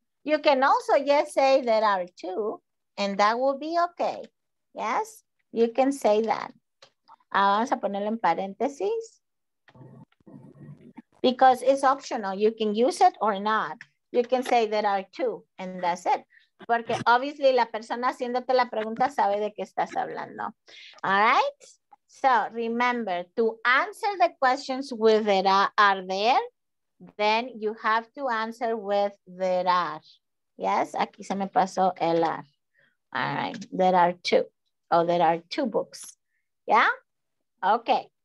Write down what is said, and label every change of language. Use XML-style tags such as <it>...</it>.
<en>You can also just say there are 2 and that will be okay. Yes. You can say that.</en> <es>Vamos a ponerlo en paréntesis.</es> <en>Because it's optional. You can use it or not. You can say there are 2 and that's it.</en> <es>Porque obviously la persona haciéndote la pregunta sabe de qué estás hablando.</es> <en>All right? So remember, to answer the questions with there are there, then you have to answer with there are. Yes?</en> <es>Aquí se me pasó el are.</es> <en>All right. There are 2. Oh, there are 2 books. Yeah? Okay.</en>